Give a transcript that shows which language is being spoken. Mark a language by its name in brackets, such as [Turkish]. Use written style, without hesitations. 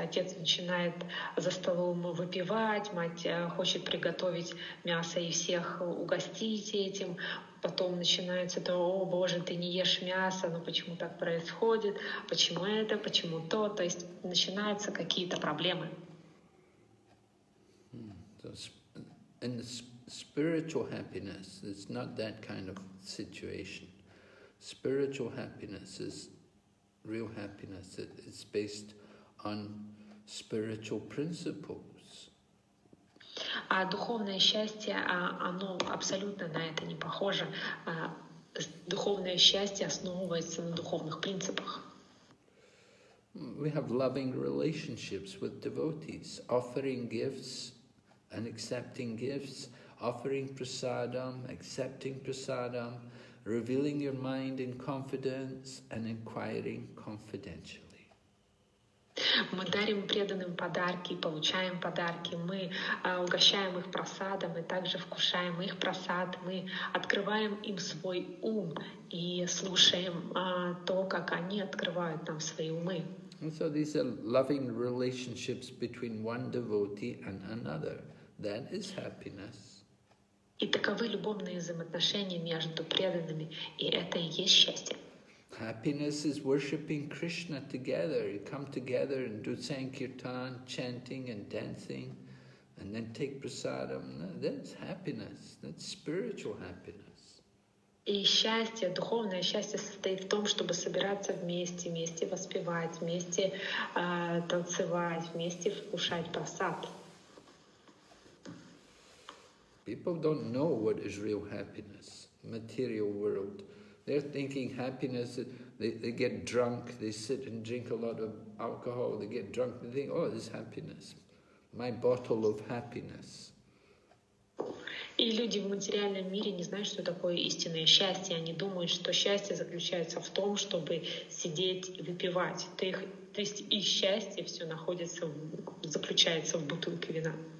[Russian] Отец начинает за столом выпивать, мать хочет приготовить мясо и всех угостить этим. Потом начинается то, о боже, ты не ешь мясо, но почему так происходит, почему это, почему то. То есть начинаются какие-то проблемы. [English] In the spiritual happiness, it's not that kind of situation. Spiritual happiness is real happiness. It's based on spiritual principles. [Russian] А духовное счастье, оно абсолютно на это не похоже. Духовное счастье основывается на духовных принципах. [English] We have loving relationships with devotees, offering gifts and accepting gifts, offering prasadam, accepting prasadam, revealing your mind in confidence and inquiring confidentially. [Russian] Мы дарим преданным подарки, получаем подарки, мы угощаем их прасадом и также вкушаем их прасад, мы открываем им свой ум и слушаем то, как они открывают нам свои умы. [English] And so these are loving relationships between one devotee and another. That is happiness. [Russian] И таковы любовные взаимоотношения между преданными, и это и есть счастье. [English] Happiness is worshipping Krishna together. You come together and do sankirtan, chanting and dancing, and then take prasadam. That's happiness. That's spiritual happiness. [Russian] И счастье, духовное счастье состоит в том, чтобы собираться вместе, вместе воспевать, вместе танцевать, вместе вкушать прасад. [English] People don't know what is real happiness, material world. They're thinking happiness, they get drunk, they sit and drink a lot of alcohol, they get drunk, they think, oh, this is happiness, my bottle of happiness. [Russian] И люди в материальном мире не знают, что такое истинное счастье. Они думают, что счастье заключается в том, чтобы сидеть и выпивать. То есть их счастье все находится, заключается в бутылке вина.